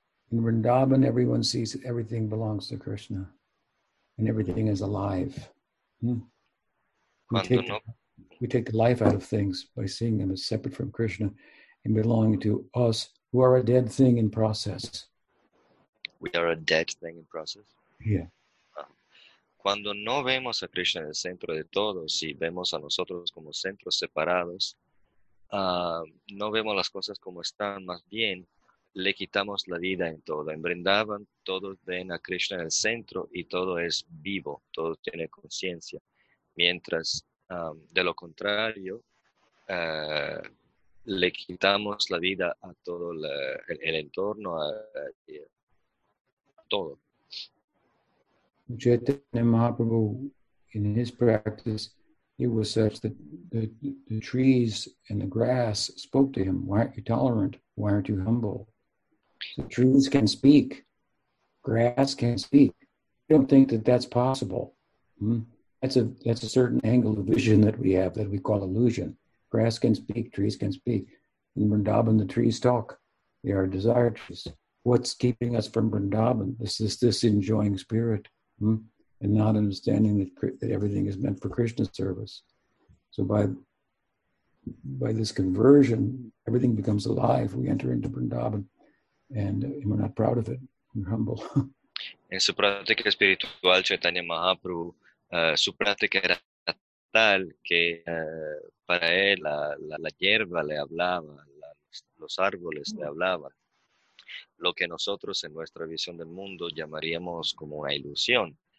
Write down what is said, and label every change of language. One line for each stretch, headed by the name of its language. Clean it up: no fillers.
English: In Vrindavan, everyone sees that everything belongs to Krishna and everything is alive. We take the life out of things by seeing them as separate from Krishna and belonging to us, who are a dead thing in process. We are a dead thing in process? Yeah.
Spanish: Cuando no vemos a Krishna en el centro de todo, si vemos a nosotros como centros separados, no vemos las cosas como están, más bien le quitamos la vida en todo. En Vrindavan, todos ven a Krishna en el centro y todo es vivo, todo tiene conciencia. Mientras, de lo contrario, le quitamos la vida a todo el entorno, a todo.
English: Chaitanya Mahaprabhu, in his practice, it was such that the trees and the grass spoke to him. Why aren't you tolerant? Why aren't you humble? The trees can speak. Grass can speak. I don't think that that's possible. That's a certain angle of vision that we have that we call illusion. Grass can speak. Trees can speak. In Vrindavan, the trees talk. They are desire trees. What's keeping us from Vrindavan? This enjoying spirit. And not understanding that everything is meant for Krishna's service. So by this conversion, everything becomes alive. We enter into Vrindavan and we're not proud of it. We're humble.
Spanish: En su práctica espiritual, Chaitanya Mahaprabhu, su práctica era tal que para él la hierba le hablaba, los árboles le hablaban. Lo que nosotros en nuestra visión del mundo llamaríamos como una ilusión.